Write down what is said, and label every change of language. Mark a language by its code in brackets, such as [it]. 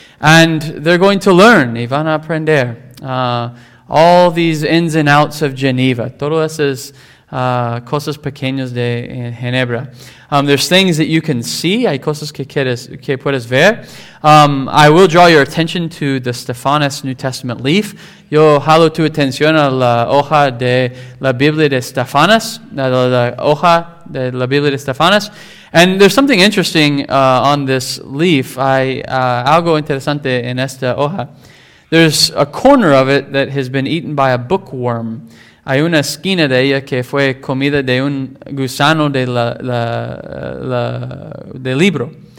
[en] And they're going to learn. [es] Y van a aprender. [en] All these ins and outs of Geneva. [es] Todas esas cosas pequeñas de Ginebra. [en] There's things that you can see. [es] Hay cosas que puedes ver. [en] I will draw your attention to the Stephanus New Testament leaf. [es] Yo jalo tu atención a la hoja de la Biblia de Stephanus. La hoja de la Biblia de Stephanus. [en] And there's something interesting on this leaf. [es] Algo interesante en esta hoja. [en] There's a corner of it that has been eaten by a bookworm. [es] Hay una esquina de ella que fue comida de un gusano de libro.